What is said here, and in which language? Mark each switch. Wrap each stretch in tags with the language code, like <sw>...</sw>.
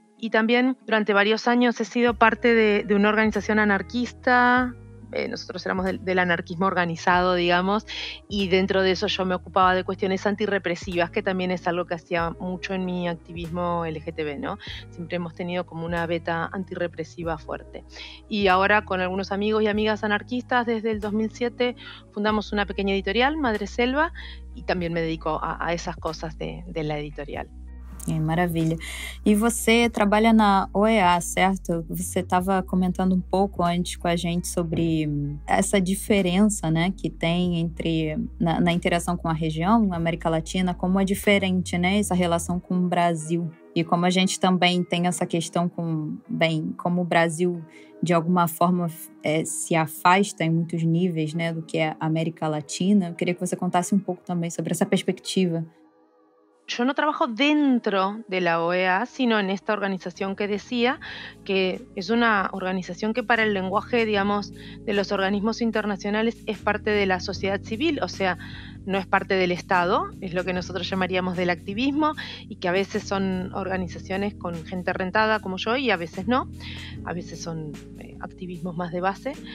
<es>Y también durante varios años he sido parte de una organización anarquista, nosotros éramos del anarquismo organizado, digamos, y dentro de eso yo me ocupaba de cuestiones antirrepresivas, que también es algo que hacía mucho en mi activismo LGTB, ¿no? Siempre hemos tenido como una beta antirrepresiva fuerte. Y ahora con algunos amigos y amigas anarquistas, desde el 2007 fundamos una pequeña editorial, Madre Selva, y también me dedico a esas cosas de la editorial.</es> <pt>Maravilha. E você trabalha na OEA, certo? Você estava comentando um pouco antes com a gente sobre essa diferença, né, que tem entre na interação com a região, na América Latina, como é diferente, né, essa relação com o Brasil. E como a gente também tem essa questão com, bem, como o Brasil de alguma forma se afasta em muitos níveis, né, do que é a América Latina. Eu queria que você contasse um pouco também sobre essa perspectiva.</pt> <es>Yo no trabajo dentro de la OEA, sino en esta organización que decía, que es una organización que para el lenguaje, digamos, de los organismos internacionales es parte de la sociedad civil, o sea, no es parte del Estado, es lo que nosotros llamaríamos del activismo, y que a veces son organizaciones con gente rentada como yo y a veces no, a veces son activismos más de base.</es>